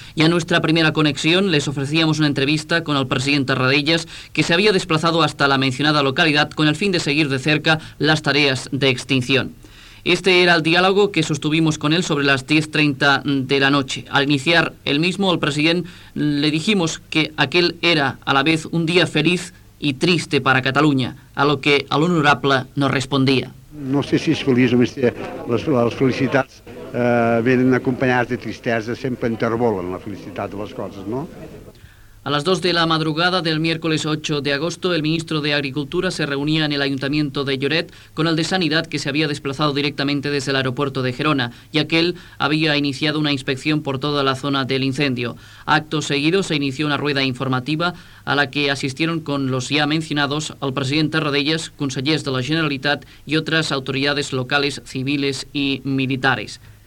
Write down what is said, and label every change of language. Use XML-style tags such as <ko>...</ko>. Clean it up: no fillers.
<es>Y a nuestra primera conexión les ofrecíamos una entrevista con el presidente Radellas, que se había desplazado hasta la mencionada localidad con el fin de seguir de cerca las tareas de extinción. Este era el diálogo que sostuvimos con él sobre las 10:30 de la noche. Al iniciar el mismo, al presidente le dijimos que aquel era a la vez un día feliz y triste para Cataluña, a lo que el honorable nos respondía.</es> <ca>No sé si és feliç o més, les felicitats venen acompanyades de tristesa, sempre intervolen la felicitat de les coses, no?</ca> <es>A las 2 de la madrugada del miércoles 8 de agosto, el ministro de Agricultura se reunía en el ayuntamiento de Lloret con el de Sanidad, que se había desplazado directamente desde el aeropuerto de Gerona, y aquel había iniciado una inspección por toda la zona del incendio. Acto seguido se inició una rueda informativa a la que asistieron con los ya mencionados el presidente Radellas, consellers de la Generalitat y otras autoridades locales, civiles y militares.</es>